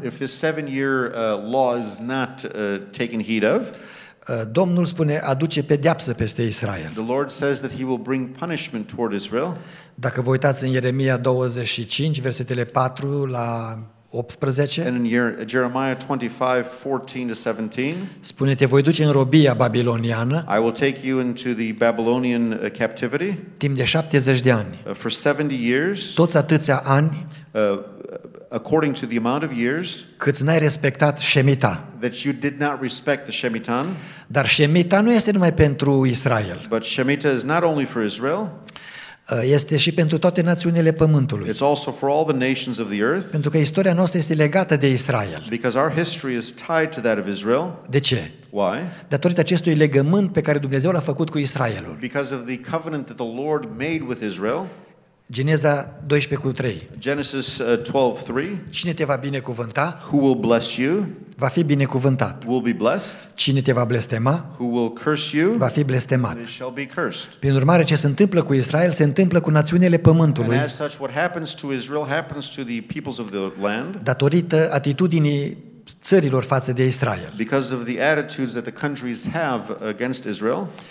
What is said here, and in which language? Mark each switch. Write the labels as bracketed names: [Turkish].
[English] if the 7-year law is not taken heed of, [Romanian] Domnul spune aduce pedeapsă peste Israel. [English] The Lord says that he will bring punishment toward Israel. [Romanian] Dacă vă uitați în Ieremia 25 versetele 4 la 18, [English] and in Jeremiah 25:14-17, [Romanian] spune te voi duce în robia babiloniană. [English] I will take you into the Babylonian captivity. [Romanian] Timp de 70 de ani. [English] For 70 years. [Romanian] Toți atâția ani. [English] According to the amount of years. [Romanian] Cât n-ai respectat Shemita. [English] That you did not respect the Shemitah. [Romanian] Dar Shemita nu este numai pentru Israel. [English] But Shemitah is not only for Israel. [Romanian] Este și pentru toate națiunile pământului. [English] It's also for all the nations of the earth. [Romanian] Pentru că istoria noastră este legată de Israel. [English] Because our history is tied to that of Israel. [Romanian] De ce? [English] Why? [Romanian] Datorită acestui legământ pe care Dumnezeu l-a făcut cu Israelul. [English] Because of the covenant that the Lord made with Israel. [Romanian] Geneza 12:3. [English] Genesis 12:3. [Romanian] Cine te va binecuvânta? [English] Who will bless you? [Romanian] Va fi binecuvântat. [English] Will be blessed. [Romanian] Cine te va blestema? [English] Who will curse you? [Romanian] Va fi blestemat. [English] They shall be cursed. [Romanian] Prin urmare, ce se întâmplă cu Israel se întâmplă cu națiunile pământului. [English] And as such, what happens to Israel happens to the peoples of the land. [Romanian] Datorită atitudinii țărilor față de Israel. [English] Because of the attitudes that the countries have against Israel.